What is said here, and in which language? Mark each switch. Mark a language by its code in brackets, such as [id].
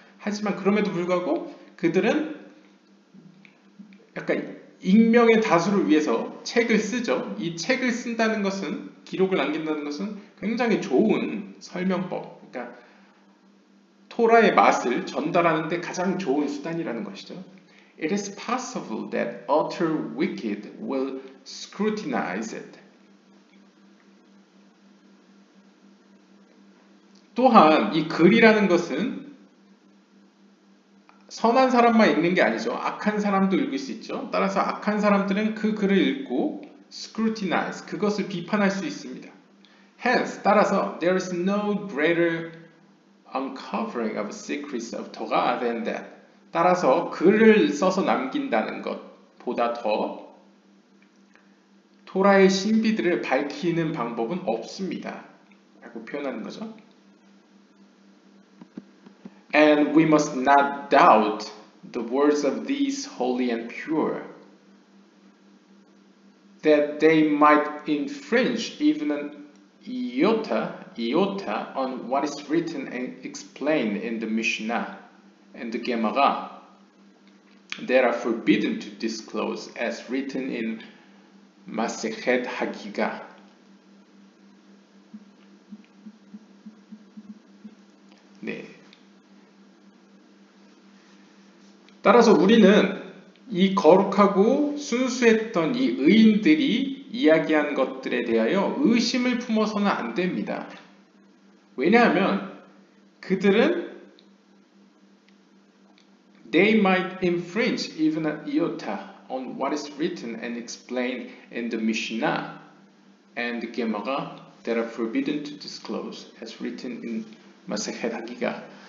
[ko] 하지만 그럼에도 불구하고 그들은 약간 익명의 다수를 위해서 책을 쓰죠. 이 책을 쓴다는 것은, 기록을 남긴다는 것은 굉장히 좋은 설명법, 그러니까 토라의 맛을 전달하는 데 가장 좋은 수단이라는 것이죠. [en] It is possible that utter wicked will scrutinize it. [ko] 또한 이 글이라는 것은 선한 사람만 읽는 게 아니죠. 악한 사람도 읽을 수 있죠. 따라서 악한 사람들은 그 글을 읽고 [en] scrutinize, [ko] 그것을 비판할 수 있습니다. [en] Hence, [ko] 따라서 [en] there is no greater uncovering of secrets of Torah than that. [ko] 따라서 글을 써서 남긴다는 것보다 더 토라의 신비들을 밝히는 방법은 없습니다. 라고 표현하는 거죠. [en] And we must not doubt the words of these holy and pure that they might infringe even an iota on what is written and explained in the Mishnah and the Gemara. They are forbidden to disclose as written in Masechet Hagiga. [ko] 네. 따라서 우리는 이 거룩하고 순수했던 이 의인들이 이야기한 것들에 대하여 의심을 품어서는 안 됩니다. 왜냐하면 그들은 [en] They might infringe even an iota on what is written and explained in the Mishnah and the Gemara that are forbidden to disclose as written in Masechet Hagiga.